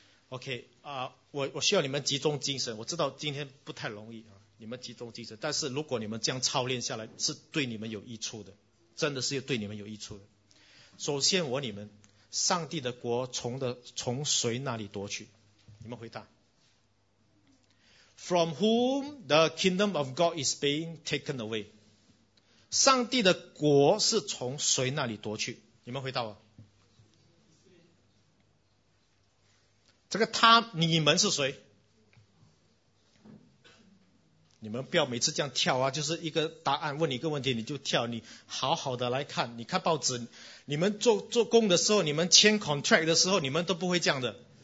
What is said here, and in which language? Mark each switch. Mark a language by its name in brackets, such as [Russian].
[Chinese] OK 啊，我需要你们集中精神，我知道今天不太容易啊，你们集中精神，但是如果你们这样操练下来是对你们有益处的，真的是对你们有益处的。首先我问你们，上帝的国从谁那里夺取？你们回答。 [English] From whom the kingdom of God is being taken away? [Chinese] 上帝的国是从谁那里夺去？你们回答我。这个他，你们是谁？你们不要每次这样跳啊，就是一个答案，问你一个问题你就跳，你好好的来看，你看报纸，你们做工的时候，你们签 contract 的时候，你们都不会这样的。